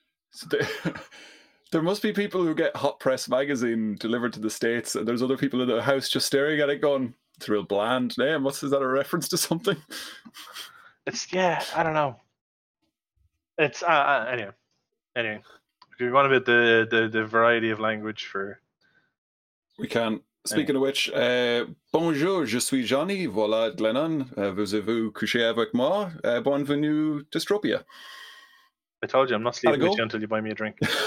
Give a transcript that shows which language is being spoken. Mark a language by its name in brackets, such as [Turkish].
[English] So there must be people who get Hot Press magazine delivered to the States, and there's other people in the house just staring at it going, it's a real bland name. What's, is that a reference to something? It's, yeah, I don't know. It's, anyway. Do you want a bit the variety of language for... We can. Speaking of which, [French] bonjour, je suis Johnny, voilà Glennon, vous avez couché avec moi, bonvenue dystropia. [English] I told you, I'm not sleeping with you until you buy me a drink.